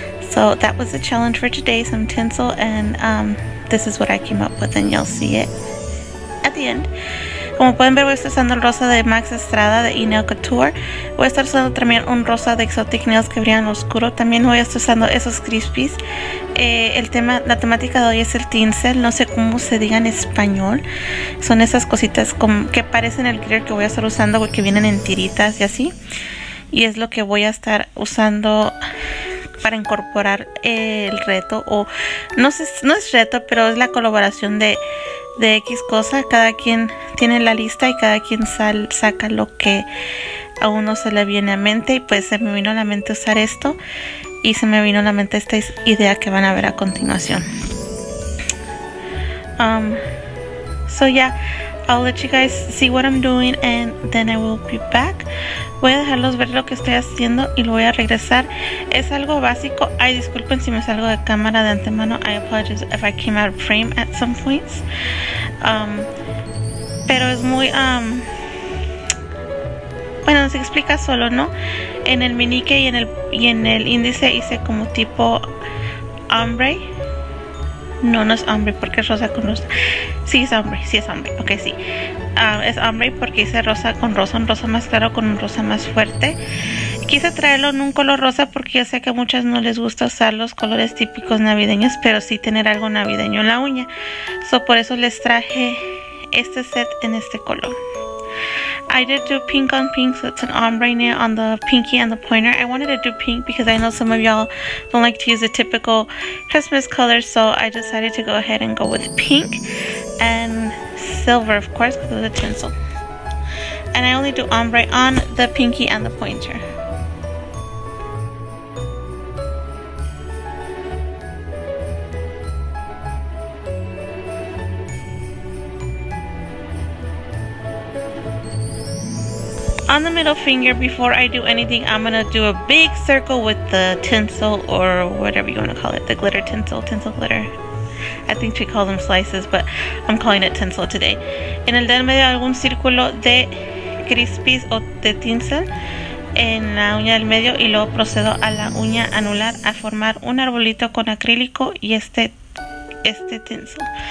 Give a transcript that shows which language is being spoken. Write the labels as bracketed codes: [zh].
[en] So that was the challenge for today, some tinsel, and this is what I came up with, and you'll see it at the end. [es] Como pueden ver, voy a estar usando el rosa de Max Estrada de Enail Couture. Voy a estar usando también un rosa de Exotic Nails que brillan oscuro. También voy a estar usando esos crispies. La temática de hoy es el tinsel. No sé cómo se diga en español. Son esas cositas que parecen el glitter que voy a estar usando, que vienen en tiritas y así. Y es lo que voy a estar usando para incorporar el reto. O no sé, no es reto, pero es la colaboración de X cosa. Cada quien tiene la lista y cada quien saca lo que a uno se le viene a mente, y pues se me vino a la mente usar esto y se me vino a la mente esta idea que van a ver a continuación. [en] So yeah, I'll let you guys see what I'm doing and then I will be back. [es] Voy a dejarlos ver lo que estoy haciendo y lo voy a regresar. Es algo básico. Ay, disculpen si me salgo de cámara de antemano. [en] I apologize if I came out of frame at some points. [es] Pero es muy... bueno, se explica solo, ¿no? En el meñique y en el índice hice como tipo ombre. No es ombre porque es rosa con rosa. Sí es ombre. Ok, sí. Es ombre porque hice rosa con rosa, un rosa más claro con un rosa más fuerte. Quise traerlo en un color rosa porque yo sé que a muchas no les gusta usar los colores típicos navideños, pero sí tener algo navideño en la uña. So por eso les traje este set en este color. [en] I did do pink on pink, so it's an ombre nail on the pinky and the pointer. I wanted to do pink because I know some of y'all don't like to use the typical Christmas color, so I decided to go ahead and go with pink and silver, of course, because of the tinsel. And I only do ombre on the pinky and the pointer. On the middle finger, before I do anything, I'm gonna do a big circle with the tinsel or whatever you wanna call it, the glitter tinsel glitter. I think she called them slices, but I'm calling it tinsel today. [es] En el dedo medio hago un círculo de crispies o de tinsel en la uña del medio y luego procedo a la uña anular a formar un arbolito con acrílico y este tinsel.